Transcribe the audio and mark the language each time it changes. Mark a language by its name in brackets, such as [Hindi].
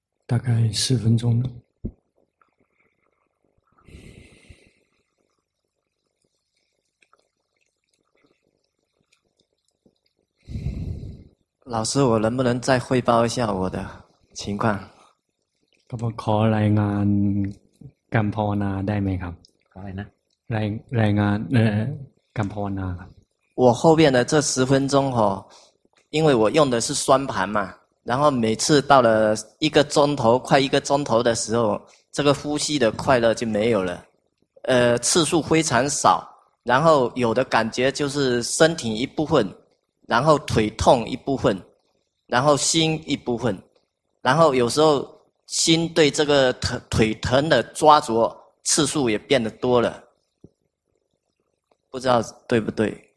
[Chinese] 大概10分钟了老师我能不能再汇报一下我的情况 [Thai] ก็ขอรายงานการภาวนาได้ไหมครับ อะไรนะ รายงานการภาวนาครับ [Chinese] 我后面的这十分钟哦因为我用的是双盘嘛然后每次到了一个钟头快一个钟头的时候这个呼吸的快乐就没有了次数非常少然后有的感觉就是身体一部分然后腿痛一部分然后心一部分然后有时候心对这个腿疼的抓着次数也变得多了不知道对不对